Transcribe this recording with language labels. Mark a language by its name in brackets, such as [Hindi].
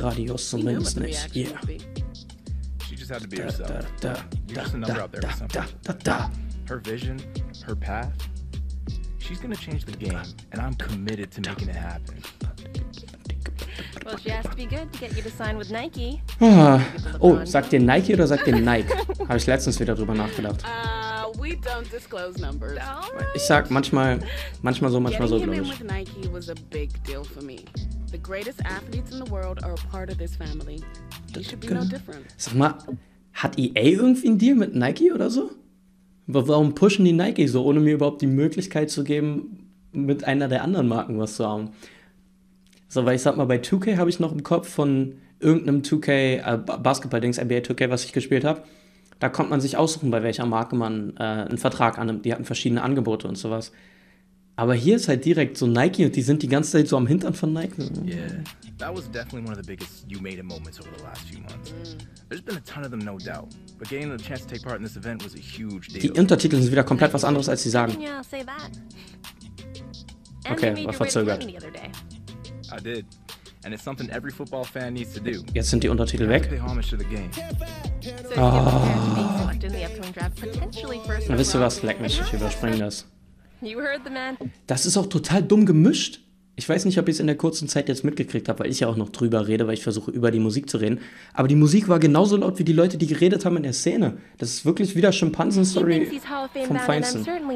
[German] Radio zumindest nicht, yeah. [English] She just had to be herself. You're just a number out there for something. Her vision, her path, she's gonna change the game, and I'm committed to making it happen. Well, she has to be good to get you to sign with Nike. [German] Oh, sagt dir Nike oder sagt dir Nike? Habe ich letztens wieder drüber nachgedacht. [English] We don't disclose numbers. [German] Ich sag manchmal so, glaube ich. [English] Getting him with Nike was a big deal for me. The greatest athletes in the world are a part of this family. You should be no different. [German] Sag mal, hat EA irgendwie einen Deal mit Nike oder so? Aber warum pushen die Nike so, ohne mir überhaupt die Möglichkeit zu geben, mit einer der anderen Marken was zu haben? So, weil ich sag mal, bei 2K habe ich noch im Kopf von irgendeinem 2K Basketball-Dings, NBA 2K, was ich gespielt habe, da konnte man sich aussuchen, bei welcher Marke man einen Vertrag annimmt. Die hatten verschiedene Angebote und sowas. Aber hier ist halt direkt so Nike und die sind die ganze Zeit so am Hintern von Nike. [English] Yeah, that was definitely one of the biggest you made a moments over the last few months. There's been a ton of them, no doubt. But getting the chance to take part in this event was a huge deal. [German] Die Untertitel sind wieder komplett was anderes, als sie sagen. Okay, war verzögert. [English] I did. And it's something every football fan needs to do. [German] Jetzt sind die Untertitel weg. [English] So you have to be selected in the upcoming draft, potentially first round. [German] Wisst ihr was? Leck mich, ich überspringe das. [English] You heard the man. [German] Das ist auch total dumm gemischt. Ich weiß nicht, ob ich es in der kurzen Zeit jetzt mitgekriegt habe, weil ich ja auch noch drüber rede, weil ich versuche, über die Musik zu reden. Aber die Musik war genauso laut wie die Leute, die geredet haben in der Szene. Das ist wirklich wieder Schimpansen-Story vom Feinsten.